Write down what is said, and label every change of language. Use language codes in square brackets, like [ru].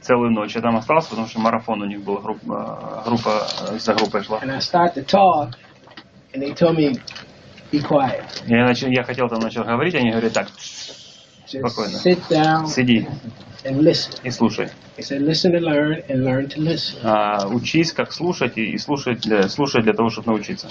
[ru] Целую ночь я там остался, потому что марафон у них был, группа за группой шла. [en] And I started to talk, and they told me, be quiet. [ru] Я хотел там начал говорить, они говорят, так, спокойно. [en] Sit down. [ru] Сиди. [en] And listen. [ru] И слушай. [en] They said, listen to learn, and learn to listen. [ru] Учись, как слушать, и слушать для того, чтобы научиться.